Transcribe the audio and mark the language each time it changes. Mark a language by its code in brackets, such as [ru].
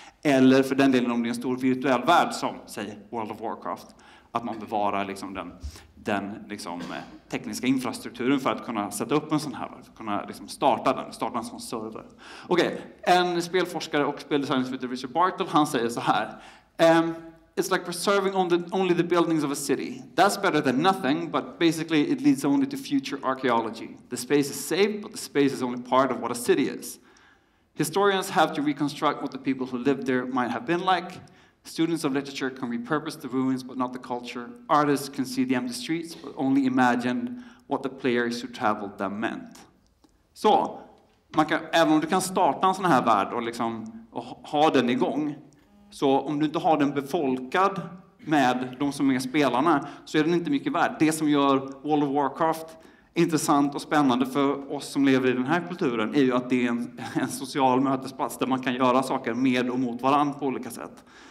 [sv] Eller för den delen om det är en stor virtuell värld som, säg, World of Warcraft. Att man bevarar liksom den liksom, tekniska infrastrukturen för att kunna sätta upp en sån här, för att kunna liksom starta en sån server. Okej, en spelforskare och speldesigner som heter Richard Bartle, han säger så här. [en] It's like preserving only the buildings of a city. That's better than nothing, but basically it leads only to future archaeology. The space is safe, but the space is only part of what a city is. Historians have to reconstruct what the people who lived there might have been like. Students of literature can repurpose the ruins but not the culture. Artists can see the empty streets but only imagine what the players who traveled them meant. [sv] Så man kan, även om du kan starta en sån här värld och liksom och ha den igång, så om du inte har den befolkad med de som är spelarna, så är den inte mycket värd. Det som gör World of Warcraft intressant och spännande för oss som lever i den här kulturen är ju att det är en social mötesplats där man kan göra saker med och mot varandra på olika sätt.